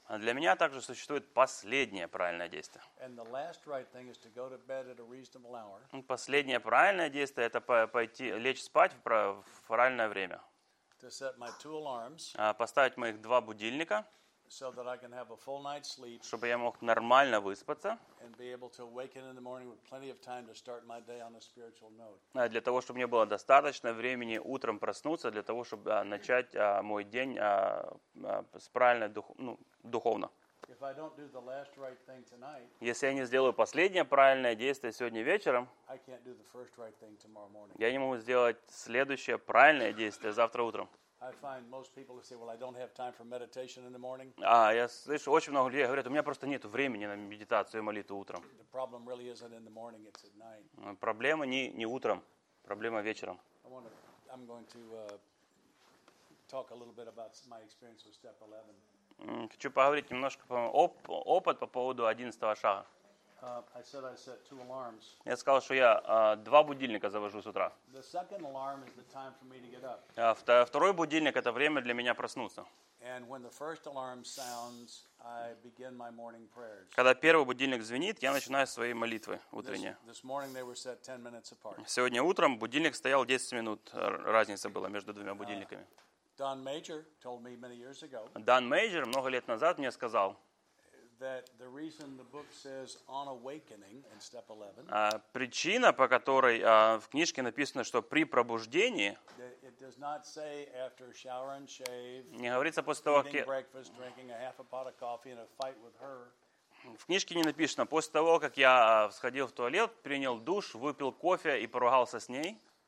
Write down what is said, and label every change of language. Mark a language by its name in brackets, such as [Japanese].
[Russian] А для меня также существует последнее правильное действие. [English] And the last right thing is to go to bed at a reasonable hour. [Russian] Последнее правильное действие это пойти лечь спать в правильное время. [English] To set my two alarms. [Russian] Поставить моих 2 будильника. [English] So that I can have a full night's sleep. [Russian] Чтобы я мог нормально выспаться. [English] And be able to awaken in the morning with plenty of time to start my day on a spiritual note. [Russian] Для того, чтобы мне было достаточно времени утром проснуться для того, чтобы начать мой день с правильной духовно. [English] If I don't do the last right thing tonight. [Russian] Если я не сделаю последнее правильное действие сегодня вечером. [English] I can't do the first right thing tomorrow morning. [Russian] Я не могу сделать следующее правильное действие завтра утром. [English] I find most people who say, "Well, I don't have time for meditation in the morning." [Russian] Я слышу очень много людей говорят, у меня просто нету времени на медитацию и молитву утром. [English] The problem really isn't in the morning; it's at night. [Russian] Проблема не утром, проблема вечером. [English] I'm going to talk a little bit about my experience with step 11. [Russian] Хочу поговорить немножко про опыт по поводу 11-го шага. [English] I said I set 2 alarms. [Russian] Я сказал, что я 2 будильника завожу с утра. [English] The second alarm is the time for me to get up. [Russian] Второй будильник это время для меня проснуться. [English] And when the first alarm sounds, I begin my morning prayers. [Russian] Когда первый будильник звенит, я начинаю свои молитвы утренние. [English] This morning they were set 10 minutes apart. [Russian] Сегодня утром будильник стоял 10 минут, разница была между двумя будильниками. [English] Don Major told me many years ago. [Russian] Дан Мейджор много лет назад мне сказал. [English] That the reason the book says on awakening in step 11. [Russian] Причина, по которой в книжке написано, что при пробуждении. [English] It does not say after shower and shave. [Russian] Не говорится после того, как [English] eating breakfast, drinking a half a pot of coffee, and a fight with her. [Russian] В книжке не написано, после того, как я сходил в туалет, принял душ, выпил кофе и поругался с ней.